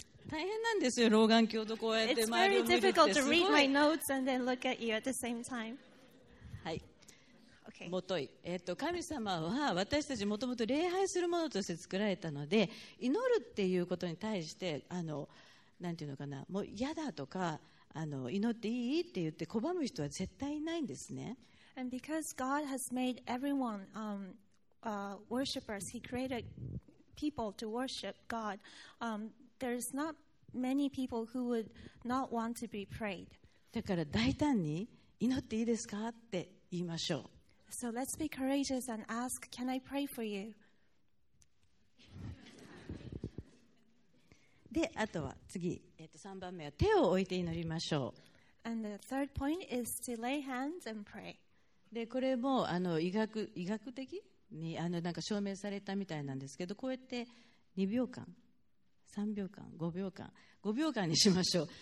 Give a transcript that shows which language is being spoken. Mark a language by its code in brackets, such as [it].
[ja] 大変なんですよ、老眼鏡とこうやって周りを見るって。 [en] It's very difficult to read my notes and then look at you at the same time. [ja] はい。 [en] Okay. [ja] もとい。神様は私たちもともと礼拝するものとして作られたので、祈るっていうことに対して、なんていうのかな、もう嫌だとか、祈っていいって言って拒む人は絶対いないんですね。 [en] And because God has made everyone, worshippers, He created people to worship God, There's not many people who would not want to be prayed. [ja] だから大胆に祈っていいですかって言いましょう。 [en] So let's be courageous and ask, can I pray for you? [ja] で、あとは次、3番目は手を置いて祈りましょう。 [en] And the third point is to lay hands and pray. [ja] で、これも医学的に証明されたみたいなんですけど、こうやって2秒間3秒間、5秒間、5秒間にしましょう。